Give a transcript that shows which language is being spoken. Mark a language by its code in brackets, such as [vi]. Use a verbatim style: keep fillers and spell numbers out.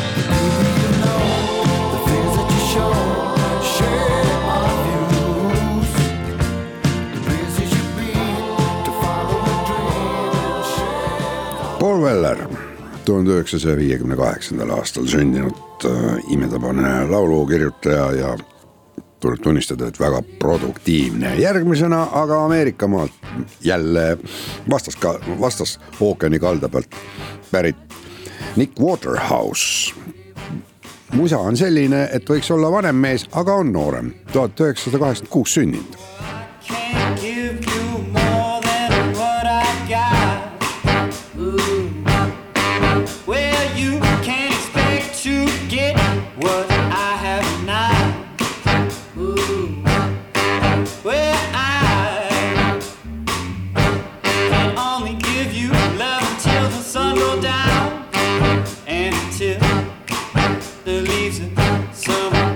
[en] Maybe you know the things that you show, shape of blues. Places you've been to follow a dream and share. [et] Paul Weller, tuhande üheksasaja viiekümne kaheksandal aastal sündinud äh, imetabane laulukirjutaja ja tuleb tunnistada, et väga produktiivne. Järgmisena aga Ameerikamaalt jälle vastas, ka, vastas ookeani kalda pealt pärit Nick Waterhouse. Musa on selline, et võiks olla vanem mees, aga on noorem. tuhat üheksasada kaheksakümmend kuus sündinud. [en] Can't give you more than what I got. Ooh. Well, you can't expect to get what I have not. Ooh. Well, I can only give you love until the sun goes down and until the leaves are summer.